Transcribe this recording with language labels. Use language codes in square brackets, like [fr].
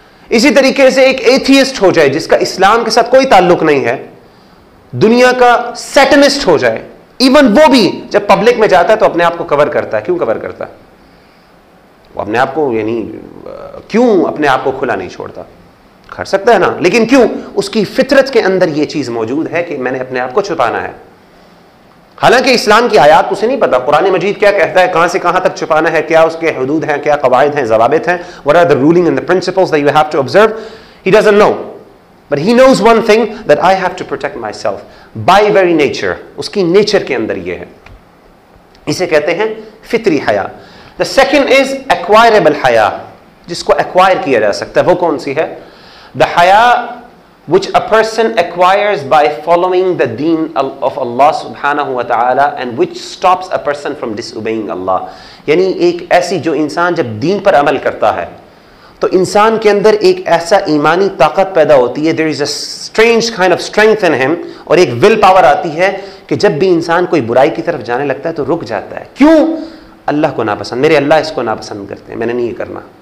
[ur] اسی طریقے سے ایک atheist ہو جائے جس کا اسلام کے ساتھ کوئی تعلق نہیں ہے, دنیا کا satanist ہو جائے, even وہ بھی جب public میں جاتا ہے تو اپنے آپ کو cover کرتا ہے. کیوں cover کرتا ہے؟ وہ اپنے آپ کو, یعنی کیوں اپنے آپ کو کھلا نہیں چھوڑتا؟ کر سکتا ہے نا, لیکن کیوں؟ اس کی فطرت کے اندر یہ چیز موجود ہے کہ میں نے اپنے آپ کو چھپانا ہے. حالانکہ اسلام کی آیات اسے نہیں پتا, قرآن مجید کیا کہتا ہے, کہاں سے کہاں تک چھپانا ہے, کیا اس کے حدود ہیں, کیا قواعد ہیں, ضوابط ہیں, [en] what are the ruling and the principles that you have to observe, he doesn't know. But he knows one thing, that I have to protect myself by very nature. [ur] اس کی نیچر کے اندر یہ ہے, اسے کہتے ہیں فطری حیا. [en] The second is acquirable حیا, [ur] جس کو acquire کیا جا سکتا ہے. وہ کون سی ہے؟ [en] The حیا which a person acquires by following the deen of Allah subhanahu wa ta'ala and which stops a person from disobeying Allah. [ur] یعنی ایک ایسی, جو انسان جب دین پر عمل کرتا ہے تو انسان کے اندر ایک ایسا ایمانی طاقت پیدا ہوتی ہے, [en] there is a strange kind of strength in him, [ur] اور ایک will power آتی ہے کہ جب بھی انسان کوئی برائی کی طرف جانے لگتا ہے تو رک جاتا ہے. کیوں؟ اللہ کو ناپسند, میرے اللہ اس کو ناپسند کرتے ہیں, میں نے نہیں یہ کرنا.